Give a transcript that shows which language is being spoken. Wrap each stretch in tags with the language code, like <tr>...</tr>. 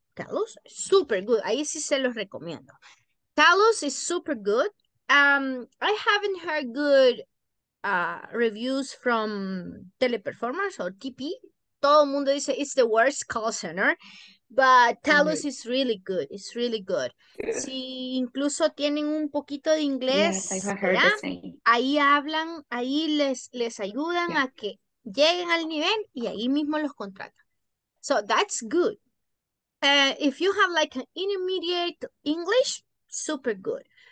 <en>Talos, super good.</en> <es>Ahí sí se los recomiendo.</es> <en>Talos is super good. I haven't heard good reviews from Teleperformance or TP.</en> <es>Todo el mundo dice</es> <en>it's the worst call center, but Talos is really good. It's really good.</en> <es>Si incluso tienen un poquito de inglés, ahí hablan, ahí les ayudan a que lleguen al nivel y ahí mismo los contratan.</es> <en>So that's good. If you have like an intermediate English, super good.</en>